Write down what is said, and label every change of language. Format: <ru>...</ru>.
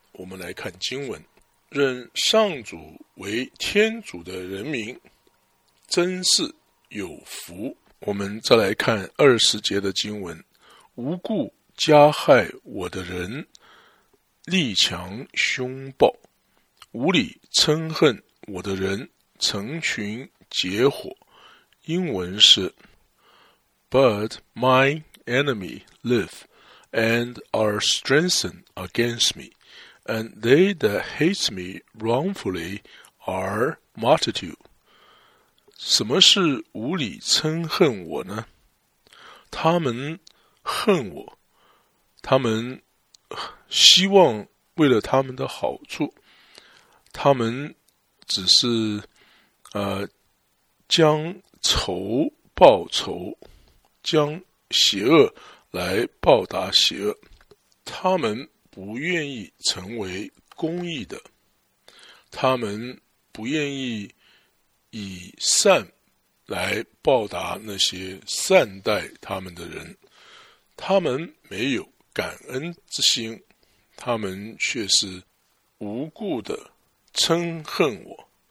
<zh>我们来看经文，认上主为天主的人民真是有福。我们再来看20节的经文，无故加害我的人力强凶暴，无理嗔恨我的人成群结伙。英文是</zh> <en>But my enemy live and are strengthened against me, and they that hate me wrongfully are multitude.</en> <zh>什么是无理嗔恨我呢？他们恨我，他们希望为了他们的好处，他们只是将仇报仇，将邪恶来报答邪恶，他们不愿意成为公义的，他们不愿意以善来报答那些善待他们的人，他们没有感恩之心，他们却是无故的嗔恨我。</zh>